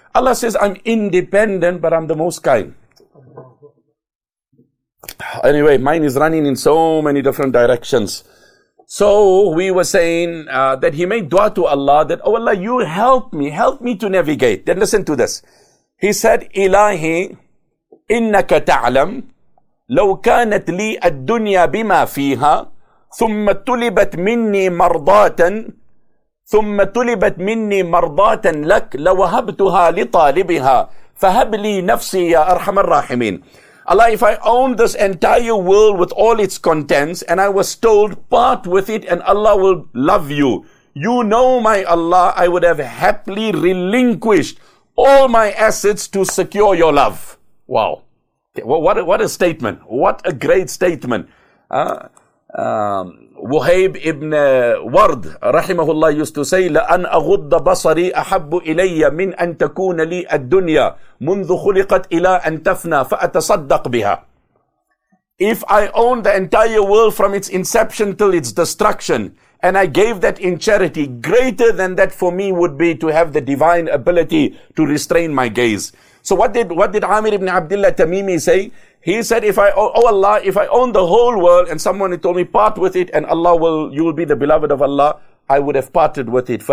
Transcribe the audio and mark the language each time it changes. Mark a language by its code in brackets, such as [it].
[en] Allah says, I'm independent, but I'm the most kind. Anyway, mine is running in so many different directions. So we were saying that he made dua to Allah, that, oh Allah, you help me to navigate. Then listen to this. He said, [ar] Ilahi, إِنَّكَ تَعْلَمْ لَوْ كَانَتْ لِي الدُّنْيَا بِمَا فِيهَا ثُمَّ تُلِبَتْ مِنِّي مَرْضَاتًا ثُمَّ تُلِبَتْ مِنِّي مَرْضَاتًا لَكْ لَوَهَبْتُهَا لِطَالِبِهَا فَهَبْ لِي نَفْسِي يَا أَرْحَمَ الرَّاحِمِينَ. [en] Allah, if I owned this entire world with all its contents and I was told, part with it and Allah will love you. You know my Allah, I would have happily relinquished all my assets to secure your love. Wow. What a statement. What a great statement. [ar] Wuhayb ibn Ward, rahimahullah, [en] used to say, [ar] لَأَنْ أَغُضَّ بَصَرِي أَحَبُّ إِلَيَّ مِنْ أَنْ تَكُونَ لِي الدُّنْيَا مُنْذُ خُلِقَتْ إِلَىٰ أَنْ تَفْنَى فَأَتَصَدَّقْ بِهَا. [en] If I own the entire world from its inception till its destruction, and I gave that in charity, greater than that for me would be to have the divine ability to restrain my gaze. So what did Amir ibn Abdullah Tamimi say? He said, if I own the whole world and someone told me part with it and you will be the beloved of Allah, I would have parted with it.